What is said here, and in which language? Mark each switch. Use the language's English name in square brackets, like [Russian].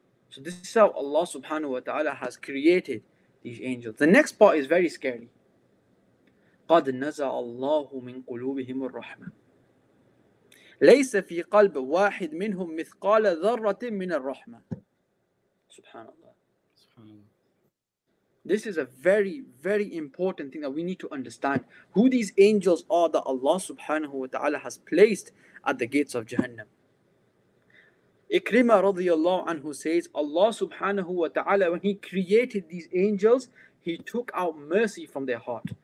[English] So this is how Allah subhanahu wa ta'ala has created these angels. The next part is very scary. [Arabic] قَدْ نَزَعَ اللَّهُ مِنْ قُلُوبِهِمُ الرَّحْمَةِ. ليس في قلب واحد منهم مثقال ذرة من الرحمة. سبحان الله. [English] This is a very, very important thing that we need to understand. Who these angels are that Allah subhanahu wa ta'ala has placed at the gates of Jahannam. Ikrimah radiyallahu anhu says, Allah subhanahu wa ta'ala, when He created these angels, He took out mercy from their heart.